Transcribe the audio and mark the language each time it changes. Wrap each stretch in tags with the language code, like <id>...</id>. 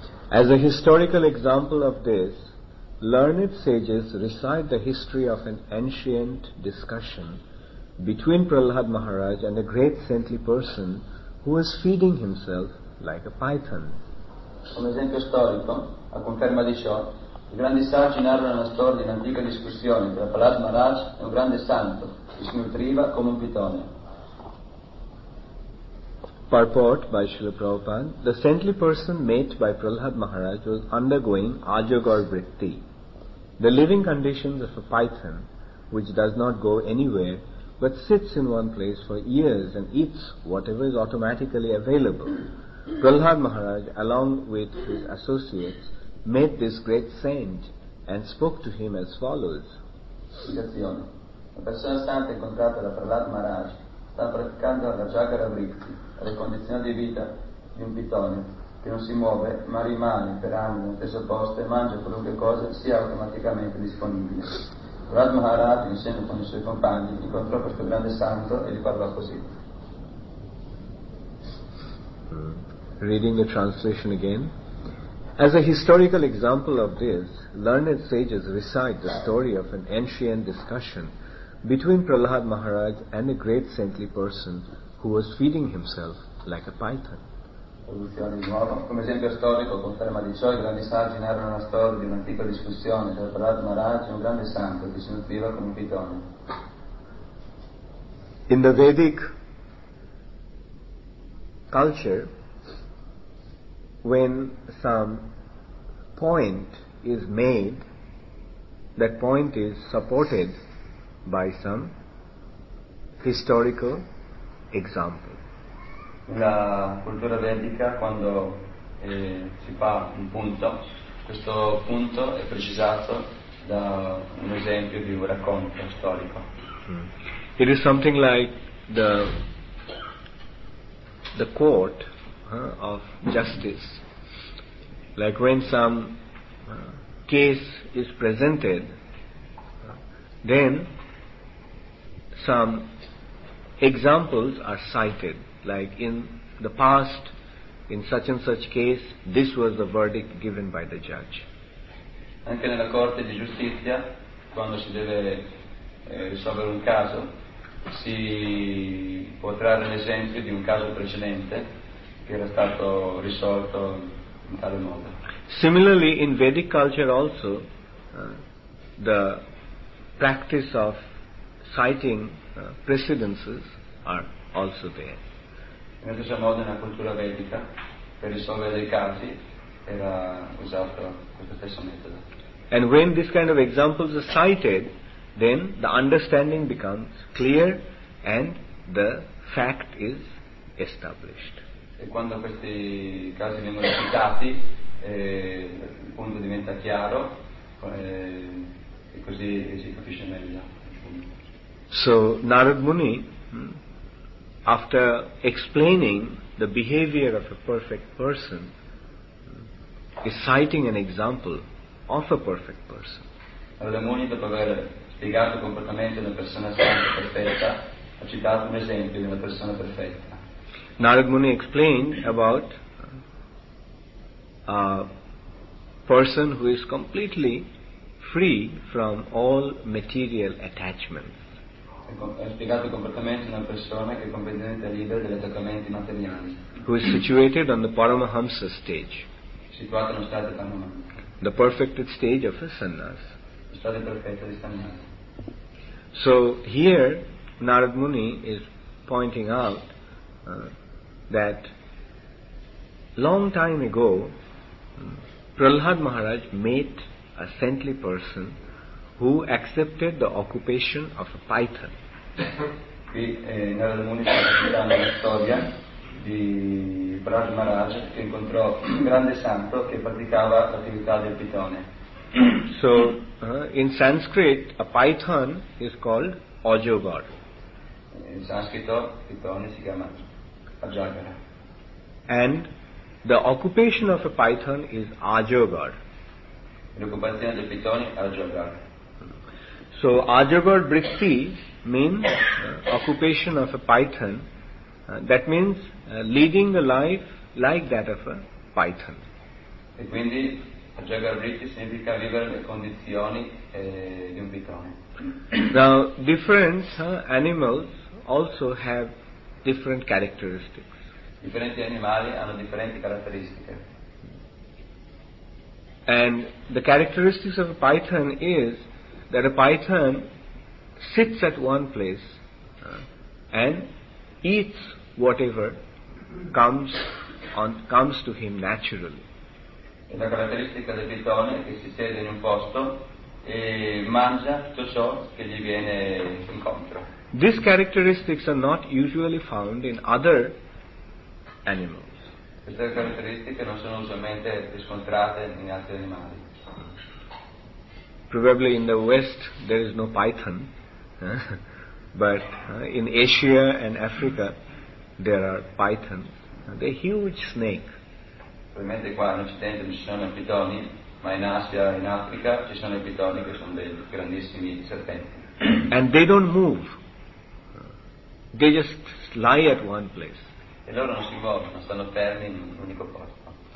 <en>As a historical example of this, learned sages recite the history of an ancient discussion between Prahlad Maharaj and a great saintly person who was feeding himself like a python.</en> <it>Un esempio storico, a conferma di ciò, i grandi saggi narrano la storia di un'antica discussione tra Prahlad Maharaj e un grande santo che si nutriva come un pitone.</it> <en>Purport by Srila Prabhupada, the saintly person met by Prahlad Maharaj was undergoing Ajagar Vritti, the living conditions of a python which does not go anywhere but sits in one place for years and eats whatever is automatically available. Prahlad Maharaj, along with his associates, met this great saint and spoke to him as follows.</en> <it>La persona santa incontrata da Prahlad Maharaj sta praticando la Jagara Vritti, le condizioni di vita di un pitone che non si muove ma rimane per anni nel stesso posto e mangia qualunque cosa sia automaticamente disponibile. Prahlad Maharaj, insieme con i suoi compagni, incontrò questo grande santo e gli parlò così.</it> <en>Reading the translation again. As a historical example of this, learned sages recite the story of an ancient discussion between Prahlad Maharaj and a great saintly person who was feeding himself like a python.</en> <it>Come esempio storico, conferma di ciò, i grandi saggi narrano la storia di un'antica discussione tra Prahlad Maharaj e un grande santo che si nutriva come un pitone.</it> <en>In the Vedic culture, when some point is made, that point is supported by some historical example.</en> <it>La cultura vedica, quando si fa un punto, questo punto è precisato da un esempio di un racconto storico.</it> <en>It is something like the court of justice. Like when some case is presented, then some examples are cited. Like in the past, in such and such case, this was the verdict given by the judge.</en> <it>Anche nella corte di giustizia, quando si deve risolvere un caso, si può trarre l'esempio di un caso precedente che era stato risolto in tale modo.</it> <en>Similarly, in Vedic culture also, the practice of citing precedences are also there.</en> <it>In questo modo, nella cultura vedica, per risolvere dei casi, era usato questo stesso metodo.</it> <en>And when this kind of examples are cited, then the understanding becomes clear and the fact is established.</en> <it>E quando questi casi vengono citati, il punto diventa chiaro e così si capisce meglio.</it> <en>So Narad Muni, after explaining the behavior of a perfect person, is citing an example of a perfect person.</en> <it>Narad Muni, dopo aver spiegato il comportamento di una persona santa perfetta, ha citato un esempio di una persona perfetta.</it> <en>Narad Muni explained about person who is completely free from all material attachments.</en> <it>È spiegato completamente una persona che è completamente libera degli attaccamenti materiali.</it> <en>Who is situated on the Paramahamsa stage.</en> <it>Situato nello stato Paramahamsa.</it> <en>The perfected stage of a sannyas.</en> <it>Lo stato perfetto di sannyas.</it> <en>So here Narad Muni is pointing out that long time ago Prahlad Maharaj met a saintly person who accepted the occupation of a python.</en> <it>Qui Narad Muni sta raccontando la storia di Prahlad Maharaj che incontrò un grande santo che praticava l'attività del pitone.</it> <en>So in Sanskrit a python is called Ajagara.</en> <it>In sanscrito pitone si chiama Ajagara.</it> <en>And the occupation of a python is Ajagara.</en> <it>L'occupazione del pitone è Ajagara.</it> <en>So Ajagara vritti means occupation of a python. That means leading a life like that of a python.</en> <it>E quindi Ajagara vritti significa vivere le condizioni di un pitone.</it> <en>Now different animals also have different characteristics.</en> <it>Differenti animali hanno differenti caratteristiche.</it> <en>And the characteristics of a python is that a python sits at one place and eats whatever comes to him naturally.</en> <it>E la caratteristica del pitone è che si siede in un posto e mangia tutto ciò che gli viene incontro.</it> <en>These characteristics are not usually found in other animals.</en> <it>Queste caratteristiche non sono usualmente riscontrate in altri animali.</it> <en>Probably in the West there is no python, but in Asia and Africa there are pythons. They're huge snake.</en> <it>Probabilmente qua in Occidente non ci sono pitoni, ma in Asia e in Africa ci sono i pitoni che sono dei grandissimi serpenti.</it> <en>And they don't move. They just lie at one place.</en> <it>E loro non si muovono, stanno fermi in un unico posto.</it>